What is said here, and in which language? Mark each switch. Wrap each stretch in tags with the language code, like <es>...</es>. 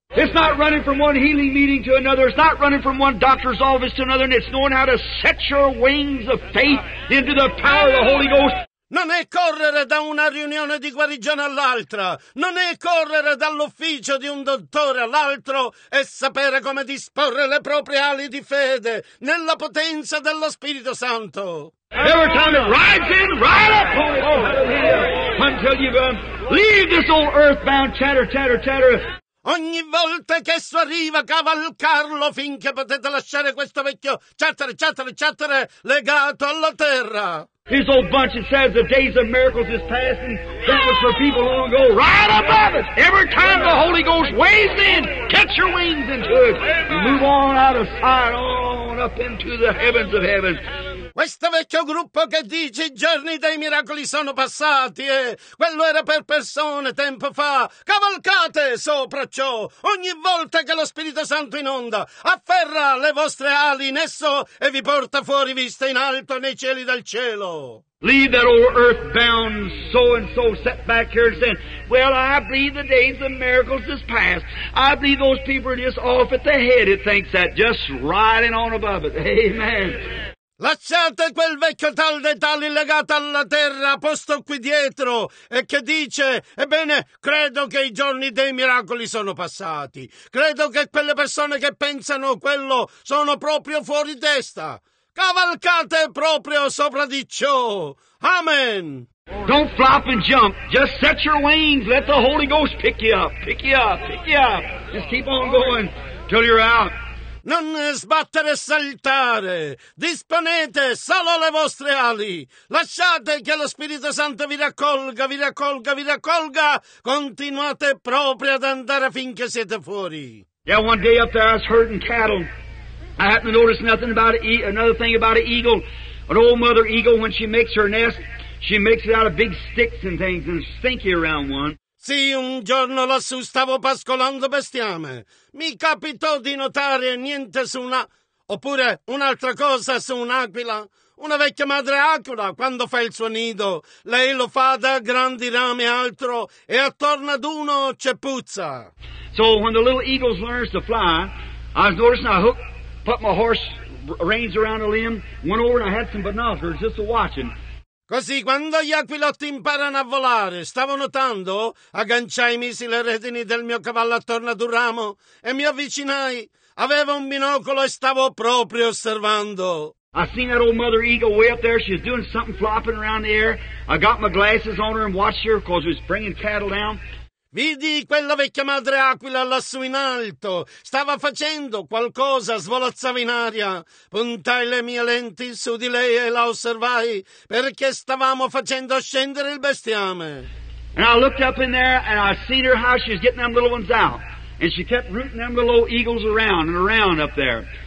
<en>It's not running from one healing meeting to another. It's not running from one doctor's office to another. And it's knowing how to set your wings of faith into the power of the Holy Ghost.</en> <it>Non è correre da una riunione di guarigione all'altra. Non è correre dall'ufficio di un dottore all'altro e sapere come disporre le proprie ali di fede nella potenza dello Spirito Santo.</it> <en>Every time it rides in, ride up, Holy Ghost. Until you leave this old earthbound chatter, chatter, chatter.</en> <it>Ogni volta che esso arriva, cavalcarlo finché potete lasciare questo vecchio</it> <en>chatter, chatter, chatter</en> <it>legato alla terra.</it> <en>His old bunch that says the days of miracles is past and that was for people long ago. Right above it. Every time the Holy Ghost waves in, catch your wings into it. You move on out of sight, on up into the heavens of heaven.</en> <it>Questo vecchio gruppo che dice i giorni dei miracoli sono passati, quello era per persone tempo fa. Cavalcate sopra ciò, ogni volta che lo Spirito Santo inonda, afferra le vostre ali in esso e vi porta fuori vista in alto nei cieli del cielo.</it> <en>Leave that old earthbound so-and-so set back here and saying, well, I believe the days of miracles is past. I believe those people are just off at the head, it thinks that, just riding on above it. Amen.</en> <it>Lasciate quel vecchio tal dei tali legato alla terra, posto qui dietro, e che dice: ebbene, credo che i giorni dei miracoli sono passati. Credo che quelle persone che pensano quello sono proprio fuori testa. Cavalcate proprio sopra di ciò. Amen.</it> <en>Don't flop and jump. Just set your wings. Let the Holy Ghost pick you up. Pick you up. Pick you up. Just keep on going till you're out.</en> <it>Non sbattere e saltare. Disponete solo le vostre ali. Lasciate che lo Spirito Santo vi raccolga, vi raccolga, vi raccolga. Continuate proprio ad andare finché siete fuori.</it> <en>Yeah, one day up there I was herding cattle. I happened to notice nothing about another thing about an eagle. An old mother eagle, when she makes her nest, she makes it out of big sticks and things and stinky around one.</en> <it>Sì, un giorno lassù stavo pascolando bestiame. Mi capitò di notare niente su una... Oppure un'altra cosa su un'aquila. Una vecchia madre aquila, quando fa il suo nido, lei lo fa da grandi rami e altro, e attorno ad uno c'è puzza.</it> <en>So, when the little eagles learns to fly, I was noticing I hooked, put my horse reins around a limb, went over and I had some binoculars just to watch him.</en> <it>Così, quando gli aquilotti imparano a volare, stavo notando, agganciai misi le redini del mio cavallo attorno ad un ramo e mi avvicinai. Avevo un binocolo e stavo proprio osservando.</it> <en>I seen that old mother eagle way up there. She was doing something flopping around the air. I got my glasses on her and watched her because she was bringing cattle down.</en> <it>Vidi quella vecchia madre aquila lassù in alto. Stava facendo qualcosa, svolazzava in aria. Puntai le mie lenti su di lei e la osservai, perché stavamo facendo scendere il bestiame.</it> <en>And I looked up in there and I seen her how she was getting them little ones out. And she kept rooting them little eagles around and around up there.</en>